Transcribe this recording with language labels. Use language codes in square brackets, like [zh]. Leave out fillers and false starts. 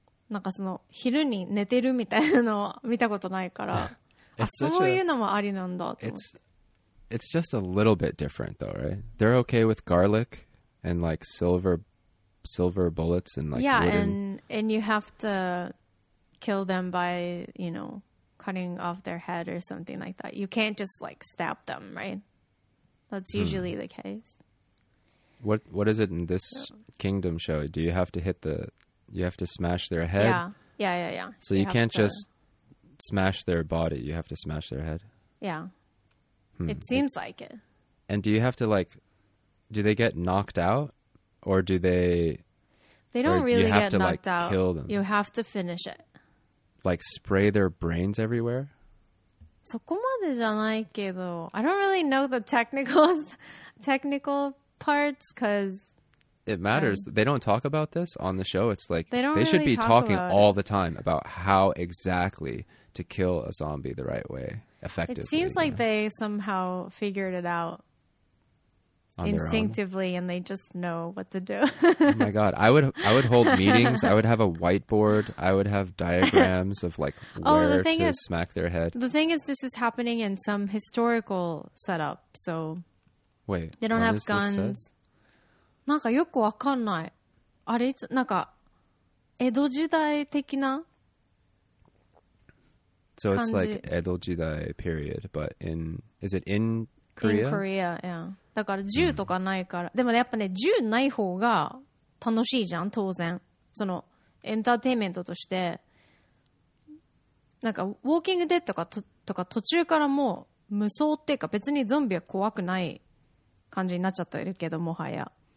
[ja] なんかその昼に寝てるみたいなのを見たことないから、あ、そういうのもありなんだと思って。 [en] It's just a little bit different though, right? They're okay with garlic and like silver bullets and like yeah, wooden... and you have to kill them by, you know, cutting off their head or something like that. You can't just like stab them, right? That's usually the case. What is it in this kingdom show? Do you have to hit the... You have to smash their head? Yeah. So you can't just smash their body. You have to smash their head? Yeah. It seems like it. And do you have to, like... Do they get knocked out? Or do they... They don't really get knocked out. You have to, like, kill them. You have to finish it. Like, spray their brains everywhere? [ja] そこまでじゃないけど... [en] I don't really know the technical parts, because... It matters. They don't talk about this on the show. It's like they should really be talking all the time about how exactly to kill a zombie the right way, effectively. It seems like they somehow figured it out instinctively and they just know what to do. Oh my God. I would hold meetings. I would have a whiteboard. I would have diagrams of like smack their head. The thing is, this is happening in some historical setup. So wait, they don't have guns. [ja] なんかよくわかんない。あれ、なんか、江戸時代的な感 [en] じ。So it's like 江戸時代 period, but is it in Korea? In Korea, yeah. [ja] だから銃とかないから。でもやっぱね、銃ない方が楽しいじゃん、当然。その、エンターテインメントとして。なんか、ウォーキングデッドとか途中からもう無双っていうか、別にゾンビは怖くない感じになっちゃってるけど、もはや。